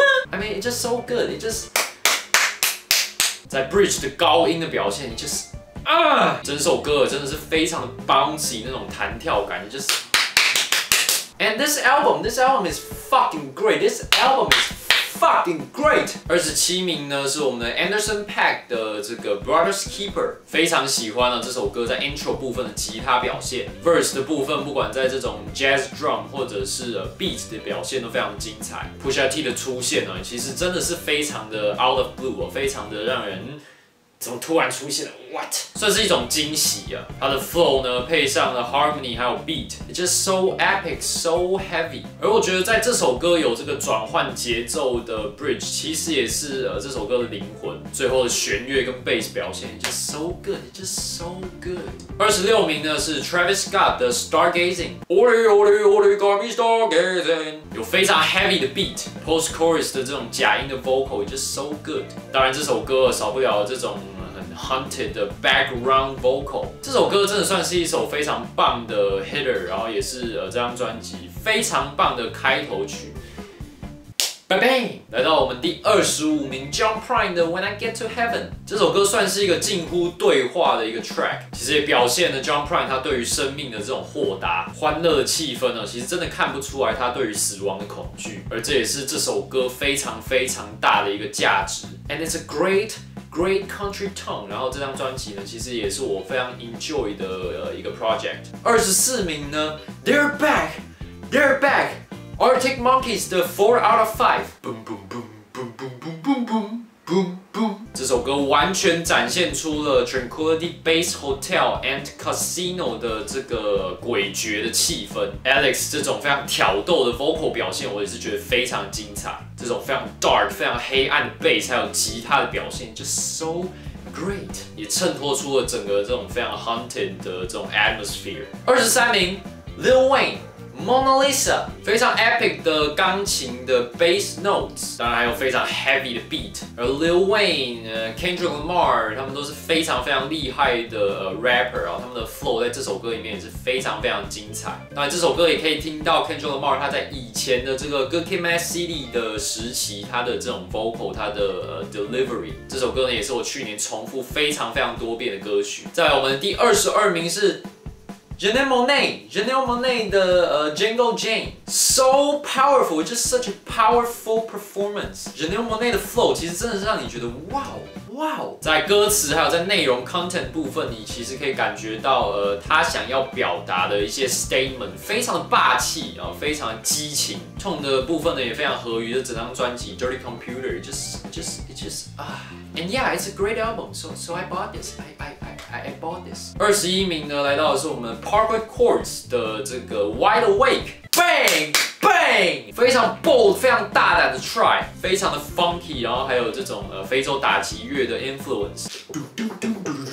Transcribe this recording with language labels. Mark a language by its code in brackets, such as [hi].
[en] I mean, it's just so good. It just [zh] 在 bridge 的高音的表现 ，just 啊，整首歌真的是非常的 bouncy 那种弹跳感 ，just. [en] And this album is fucking great. This album is fucking great. [zh] 27名呢是我们的 Anderson Paak 的这个 Brothers Keeper， 非常喜欢这首歌在 intro 部分的吉他表现 ，verse 的部分不管在这种 jazz drum 或者是 beat 的表现都非常精彩。 Pusha T 的出现呢，其实真的是非常的 out of blue， 非常的让人。怎么突然出现了 ？What？算是一种惊喜啊！它的 flow 呢，配上了 harmony 还有 beat， [en] it's just so epic, so heavy。 [zh] 而我觉得在这首歌有这个转换节奏的 bridge， 其实也是这首歌的灵魂。最后的弦乐跟 bass 表现 ， [en] it's just so good, it's just so good。 [zh] 26名呢是 Travis Scott 的 Stargazing， 我的 [en] got me stargazing， [zh] 有非常 heavy 的 beat， post chorus 的这种假音的 vocal [en] just so good。 [zh] 当然这首歌少不了这种。Hunted 的 background vocal， 这首歌真的算是一首非常棒的 hitter， 然后也是这张专辑非常棒的开头曲。拜拜。来到我们第25名 John Prine 的 When I Get to Heaven， 这首歌算是一个近乎对话的一个 track， 其实也表现了 John Prine 他对于生命的这种豁达欢乐的气氛呢，其实真的看不出来他对于死亡的恐惧，而这也是这首歌非常非常大的一个价值。 [en] And it's a greatGreat Country Tone， [zh] 然后这张专辑呢，其实也是我非常 enjoy 的一个 project。 24名呢 ，They're back， Arctic Monkeys 的 Four Out of Five， boom boom boom boom boom boom boom boom boom boom， 这首歌完全展现出了 Tranquility Base Hotel and Casino 的这个诡谲的气氛。 Alex 这种非常挑逗的 vocal 表现，我也是觉得非常精彩。这种非常 dark、非常黑暗的 bass， 还有吉他的表现 ， [en] just so great， [zh] 也衬托出了整个这种非常 haunted 的这种 atmosphere。 23名 ，Lil Wayne Mona Lisa， 非常 epic 的钢琴的 bass notes， 当然还有非常 heavy 的 beat。而 Lil Wayne、Kendrick Lamar， 他们都是非常非常厉害的、rapper， 然后他们的 flow 在这首歌里面也是非常非常精彩。当然这首歌也可以听到 Kendrick Lamar 他在以前的这个 Good Kid Mad City 的时期，他的这种 vocal， 他的、delivery。这首歌呢也是我去年重复非常非常多遍的歌曲。再来我们第22名是Janelle Monae 的Jungle Jane， [en] so powerful， just such a powerful performance。 [zh] Janelle Monae 的 flow 其实真的是让你觉得哇哦哇哦，在歌词还有在内容 content 部分，你其实可以感觉到他想要表达的一些 statement， 非常的霸气啊，非常的激情。 [en] Tone [zh] 的部分呢也非常合于这整张专辑 [en] Dirty Computer， just and yeah， it's a great album， so I bought this， I bought this。 [zh] 21名呢，来到的是我们 Parkway Courts 的这个 Wide Awake， Bang Bang， 非常 bold， 非常大胆的 try， 非常的 funky， 然后还有这种非洲打击乐的 influence。